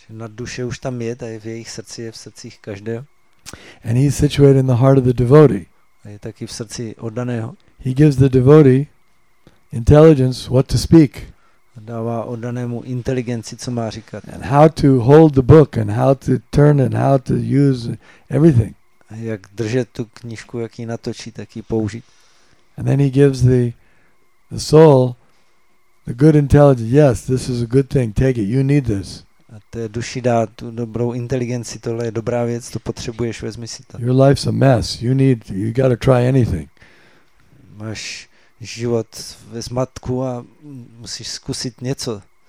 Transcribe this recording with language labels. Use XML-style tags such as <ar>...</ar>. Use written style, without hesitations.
<cs>Na duše už tam je, je v jejich srdci, je v srdcích každého.</cs> <en>And he's situated in the heart of the devotee.</en> <cs>A je taky v srdci oddaného.</cs> <en>He gives the devotee intelligence what to speak.</en> <cs>Dává oddanému inteligenci, co má říkat.</cs> <en>And how to hold the book and how to turn it, how to use everything.</en> <cs>A jak držet tu knížku, jak ji natočit, jak ji použít.</cs> <en>And then he gives the soul, the good intelligence, yes, this is a good thing, take it, you need this.</en> <cs>A té duši dá tu dobrou inteligenci, tohle je dobrá věc, to potřebuješ, vezmi si to.</cs> <en>Your life's a mess, you got to try anything.</en> <cs>Máš život ve zmatku a musíš zkusit něco.</cs>